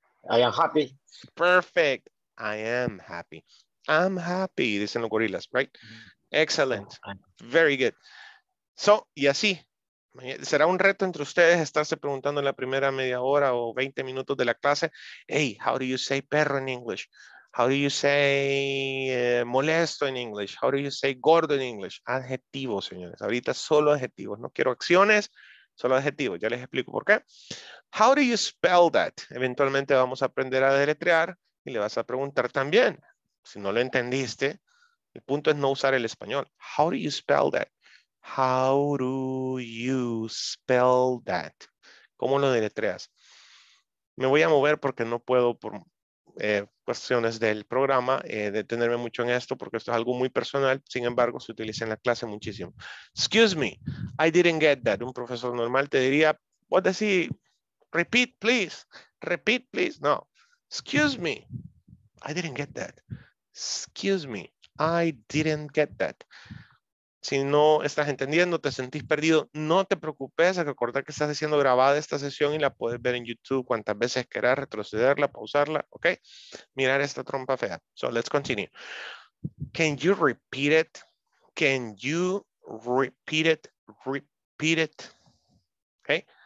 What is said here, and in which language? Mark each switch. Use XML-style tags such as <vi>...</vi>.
<en>I am happy. Perfect. I am happy. I'm happy,</en> <es>dicen los gorilas,</es> <en>right? Excellent. Very good. So,</en> <es>y así. Será un reto entre ustedes estarse preguntando en la primera media hora o 20 minutos de la clase.</es> <en>Hey, how do you say perro in English? How do you say molesto in English? How do you say gordo in English?</en> <es>Adjetivos, señores. Ahorita solo adjetivos. No quiero acciones, solo adjetivos. Ya les explico por qué.</es> <en>How do you spell that?</en> <es>Eventualmente vamos a aprender a deletrear y le vas a preguntar también. Si no lo entendiste, el punto es no usar el español.</es> <en>How do you spell that? How do you spell that?</en> <es>¿Cómo lo deletreas? Me voy a mover porque no puedo por... cuestiones del programa, detenerme mucho en esto porque esto es algo muy personal, sin embargo se utiliza en la clase muchísimo.</es> <en>Excuse me, I didn't get that.</en> <es>Un profesor normal te diría,</es> <en>what does he, repeat please, no, excuse me, I didn't get that, excuse me, I didn't get that.</en> <es>Si no estás entendiendo, te sentís perdido, no te preocupes, recordar que estás siendo grabada esta sesión y la puedes ver en YouTube cuantas veces quieras, retrocederla, pausarla, ¿ok? Mirar esta trompa fea.</es> <en>So, let's continue. Can you repeat it? Can you repeat it? Repeat it. ¿Ok?</en>